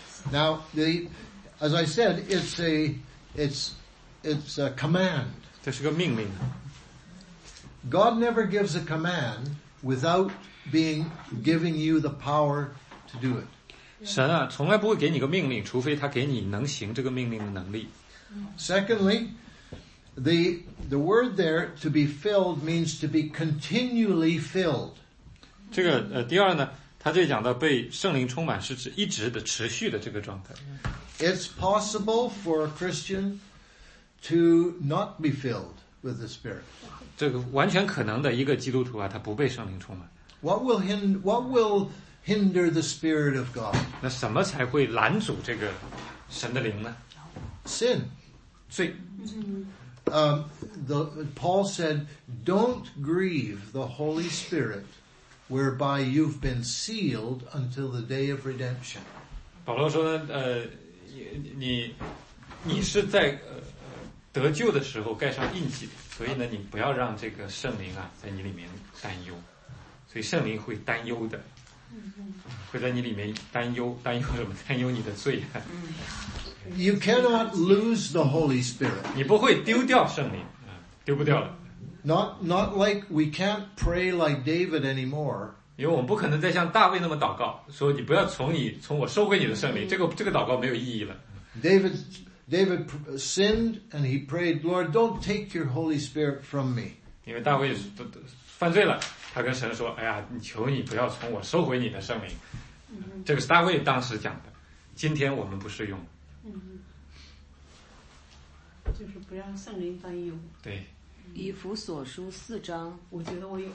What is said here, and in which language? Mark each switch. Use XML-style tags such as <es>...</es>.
<en>now the as I said it's a command</en> <zh>这是个命令</zh> <en>God never gives a command without giving you the power to do it</en> <zh>神啊，从来不会给你个命令，除非他给你能行这个命令的能力。</zh> <en>Secondly, the word there to be filled means to be continually filled.</en> <zh>这个第二呢，他这讲到被圣灵充满是指一直的持续的这个状态。</zh> <en>It's possible for a Christian to not be filled with the Spirit.</en> <zh>这个完全可能的一个基督徒啊，他不被圣灵充满。</zh> <en>What will hinder the Spirit of God.</en> <zh>那什么才会拦阻这个神的灵呢</zh> <en>？Sin,</en> <zh>罪。</zh> <en>Paul said, "Don't grieve the Holy Spirit, whereby you've been sealed until the day of redemption."</en> <zh>保罗说呢，你是在得救的时候盖上印记，所以呢，你不要让这个圣灵啊在你里面担忧，所以圣灵会担忧的。会在你里面担忧，担忧什么？担忧你的罪。</zh> <en>You cannot lose the Holy Spirit.</en> <zh>你不会丢掉圣灵，丢不掉了。</zh> <en>Not like we can't pray like David anymore.</en> <zh>因为我们不可能再像大卫那么祷告，说你不要从我收回你的圣灵，这个祷告没有意义了。</zh> <en>David sinned and he prayed, Lord, don't take your Holy Spirit from me.</en> <zh>因为大卫犯罪了。他跟神说：“哎呀，你求你不要从我收回你的圣灵。” 这个是大卫当时讲的。今天我们不适用。嗯，就是不让圣灵担忧。对。以弗所书四章，我觉得我有</zh>